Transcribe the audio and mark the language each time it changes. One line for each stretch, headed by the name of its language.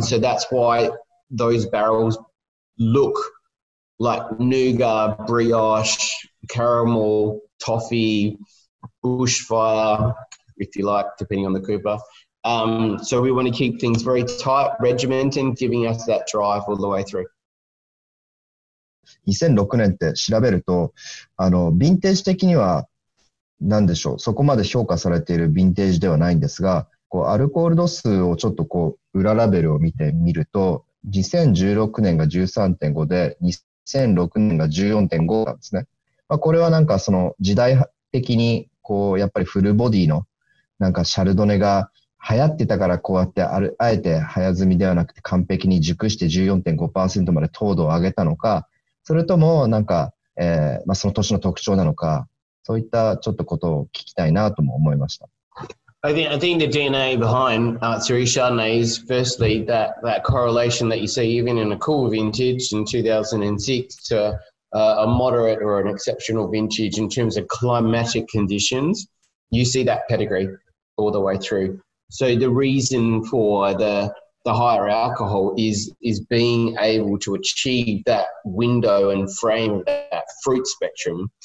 English: So that's why those barrels look like nougat, brioche, caramel, toffee, bushfire, if you like, depending on the cooper. So we want to keep things very tight, regimented, giving us that drive all the way through.
Japanese: 2006年って調べると、ヴィンテージ的には何でしょう、そこまで評価されているヴィンテージではないんですが、こうアルコール度数をちょっとこう裏ラベルを見てみると、2016年が 13.5 で2006年が 14.5 なんですね。まあ、これはなんかその時代的にこうやっぱりフルボディのなんかシャルドネが流行ってたから、こうやってあえて早摘みではなくて完璧に熟して 14.5% まで糖度を上げたのか、それともなんか、まあ、その年の特徴なのか、そういったちょっとことを聞きたいなとも思いました。
English: I think the DNA behind Art Series Chardonnay is firstly that correlation that you see even in a cool vintage in 2006 to a moderate or an exceptional vintage in terms of climatic conditions. You see that pedigree all the way through. So the reason for the higher alcohol is being able to achieve that window and frame of that fruit spectrum.